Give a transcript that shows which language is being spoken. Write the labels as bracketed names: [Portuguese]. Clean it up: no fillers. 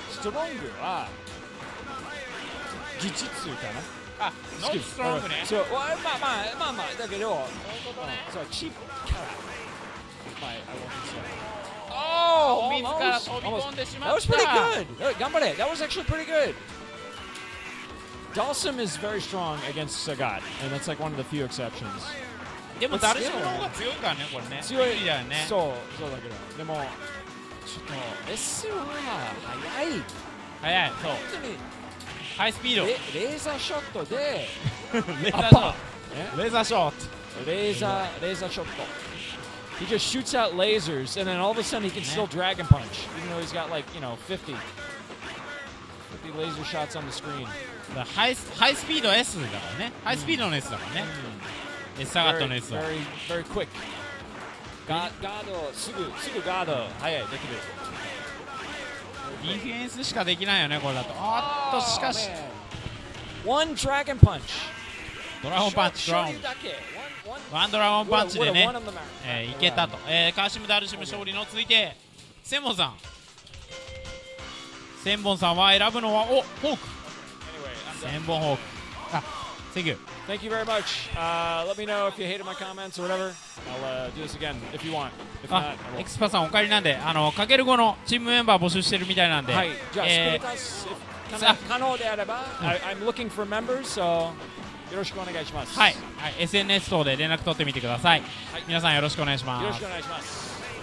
[Japanese] ストロングは技術かな。あ、ノットストロングね。そう、まあまあまあまあだけど。そういうことね。そう、チープキャラ。はい、 [English] I want to try. [Japanese] おー、自ら飛び込んでしまった。 [English] That was pretty good. [Japanese] 頑張れ。 [English] That was actually pretty good. Dalsim is very strong against Sagat, and that's like one of the few exceptions. [Japanese] でも誰しもの方が強いからね、これね。強いだよね。そう、そうだけど。でも、ちょっと、S は速い。速い、そう。本当に。ハイスピード。レーザーショットで、レーザーショット。レーザーショット。レーザーショット。 [English] He just shoots out lasers, and then all of a sudden he can still dragon punch, even though he's got like, you know, 50. 50 laser shots on the screen. [Japanese] ハイスピード S だからね、ハイスピードの S だからね、うん、S サガットの S は [English] very, very quick. [Japanese] ガードすぐガード速いできる、ディフェンスしかできないよねこれだと。あっとしかし、 [English] oh, one dragon punch. [Japanese] ドラゴンパンチ、ワンドラゴンパンチでね、いけたと、カーシムダルシム勝利の。続いて千本さん、千本さんは選ぶのはおフォーク、千本ホーク。 [English] あ、Thank you. Thank you very much. Let me know if you hated my comments or whatever. I'll do this again if you want. If not, [Japanese] エクスパさんお帰りなんで、かける後のチームメンバー募集してるみたいなんで。はい。じゃあ、スクルタス、可能であれば、 [English] I'm looking for members, so [Japanese] よろしくお願いします。はい。 SNS 等で連絡取ってみてください。はい。皆さんよろしくお願いします。よろしくお願いします。